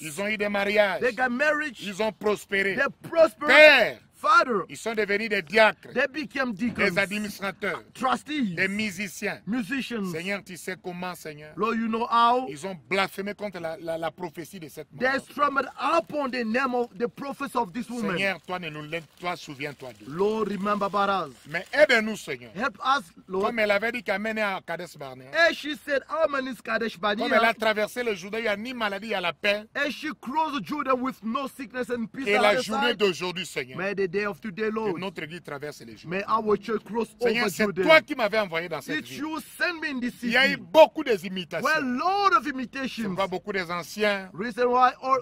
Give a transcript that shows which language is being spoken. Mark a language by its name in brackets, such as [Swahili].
[French] Ils ont eu des mariages. [English] They got marriage. [French] Ils ont prospéré. [English] They prospered. [French] Père. [English] Father, [French] ils sont devenus des diacres, [English] they became deacons, [French] des administrateurs, [English] trustees, [French] des musiciens. [English] Musicians. [French] Seigneur, tu sais comment, Seigneur? [English] Lord, you know how? [French] Ils ont blasphémé contre la prophétie de cette maman. [English] They stumbled upon the name of the prophecy of this woman. [French] Seigneur, toi ne nous laisse, toi souviens-toi d'eux. [English] Lord, remember about us. [French] Mais aide-nous, Seigneur. [English] Help us, Lord. [French] Comme elle avait dit qu'Amen est à Kadesh Barnea. [English] And she said, Amen is Kadesh Barnea. [French] Comme elle a traversé le Jourdain, il n'y a ni maladie, il y a la paix. [English] And she crossed Jordan with no sickness and peace. [French] Et la journée d'aujourd'hui, Seigneur. [English] May the day of today, Lord. [French] Que notre église traverse les jours. [English] May our church cross [French] Seigneur, [English] over [French] c'est [English] Jordan. [French] Toi qui m'avais envoyé dans cette [English] It [French] ville. [English] You send me in this city. [French] Il y a eu beaucoup d'imitations. [English] Well, lot of imitations. [French] Ce n'est pas beaucoup des anciens. [English] Reason why all